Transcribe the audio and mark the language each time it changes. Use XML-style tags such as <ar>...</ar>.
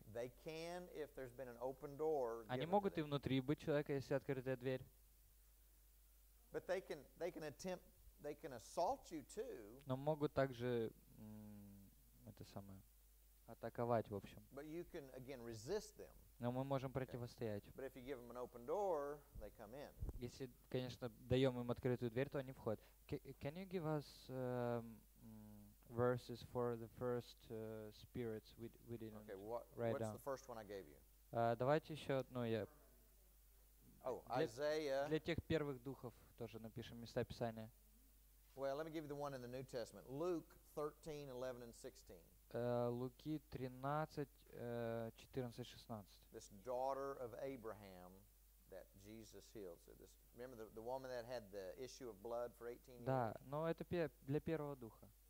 <en>They can if there's been an open door.</en> <ru>Они могут и внутри быть человека, если открытая дверь.</ru> <en>But they can attempt, they can assault you too.</en> <ru>Но могут также это самое атаковать, в общем.</ru> <en>But you can again resist them.</en> <ru>Но мы можем противостоять.</ru> <en>But if you give them an open door, they come in.</en> <ru>Если, конечно, даем им открытую дверь, то они входят.</ru> <en>Can you give us verses for the first spirits we didn't okay, write what's down. The first one I gave you?</en> <ru>Давайте еще одно я.</ru> <en>Oh, Isaiah.</en> <ru>Для тех первых духов тоже напишем места писания.</ru> <en>Well, let me give you the one in the New Testament. Luke 13:11-16.</en> <ru>Луки 13:14-16.</ru> <en>This daughter of Abraham that Jesus healed. So this, remember the woman that had the issue of blood for 18 years?</en> <ru>Да, но это для первого духа.</ru>